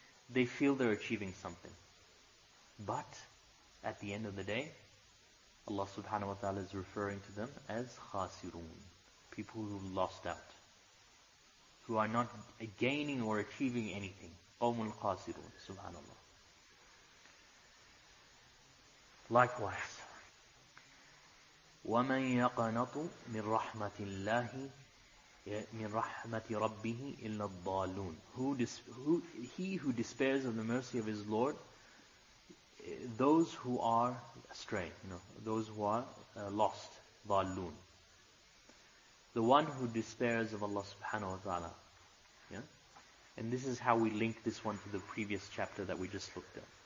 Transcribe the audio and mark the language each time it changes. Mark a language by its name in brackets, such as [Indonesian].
[English] They feel they're achieving something. But at the end of the day, Allah subhanahu wa ta'ala is referring to them as khasirun, people who lost out, who are not gaining or achieving anything. [Arabic] Qawmul khasirun, subhanallah. [English] Likewise, [Arabic] وَمَنْ يَقَنَطُ مِنْ رَحْمَةِ اللَّهِ مِنْ رَحْمَةِ رَبِّهِ إِلَّا الضَّالُونَ. [English] He who despairs of the mercy of his Lord, those who are astray, those who are lost, ضالون. The one who despairs of Allah subhanahu wa ta'ala. Yeah? And this is how we link this one to the previous chapter that we just looked at.